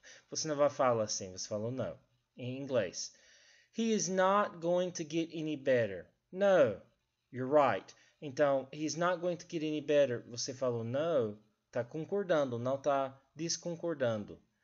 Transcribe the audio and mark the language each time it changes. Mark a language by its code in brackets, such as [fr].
[pt] Você não vai falar assim, você falou não. [en] In English. He is not going to get any better. No, you're right. [pt] Então, [en] he is not going to get any better. [pt] Você falou no, tá concordando, não tá desconcordando.